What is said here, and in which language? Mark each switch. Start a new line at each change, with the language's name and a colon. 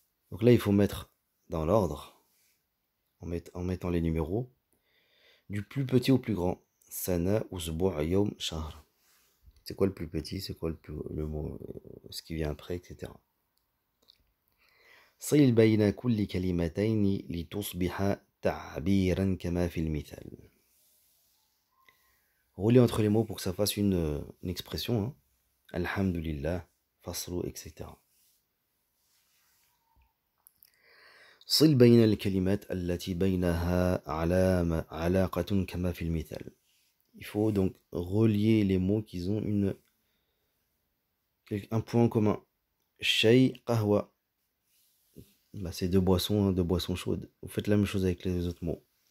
French: Donc là, il faut mettre dans l'ordre, en mettant les numéros, du plus petit au plus grand.
Arabic: Sana, usbu', yawm, shahr.
French: C'est quoi le plus petit, c'est quoi le mot, ce qui vient après, etc.
Arabic: صل بين كل كلمتين لتصبح تعبيرا كما في المثال.
French: Roulez entre les mots pour que ça fasse une expression.
Arabic: Alhamdulillah, faslu, etc. صل بين الكلمات التي بينها علاقة كما في المثال.
French: Il faut donc relier les mots qui ont un point commun. Shay, qahwa. Bah, c'est deux boissons chaudes. Vous faites la même chose avec les autres mots.